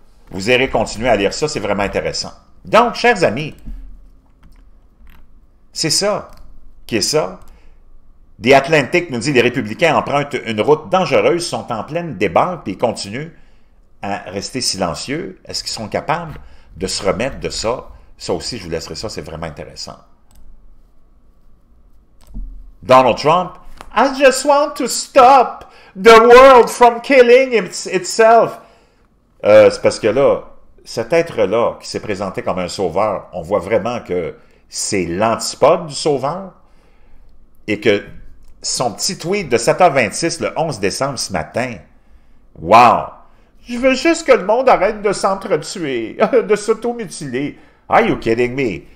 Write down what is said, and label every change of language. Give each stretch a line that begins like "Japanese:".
French: Vous irez continuer à lire ça, c'est vraiment intéressant. Donc, chers amis, c'est ça qui est ça. The Atlantic nous dit « Les républicains empruntent une route dangereuse, sont en pleine débâcle puis ils continuent à rester silencieux. Est-ce qu'ils sont capables de se remettre de ça? » Ça aussi, je vous laisserai ça, c'est vraiment intéressant.
English: Donald Trump, I just want to stop the world from killing itself.
French: C'est parce que là, cet être-là qui s'est présenté comme un sauveur, on voit vraiment que c'est l'antipode du sauveur et que son petit tweet de 7h26 le 11 décembre ce matin, wow! Je veux juste que le monde arrête de s'entretuer, de s'automutiler.
English: Are you kidding me?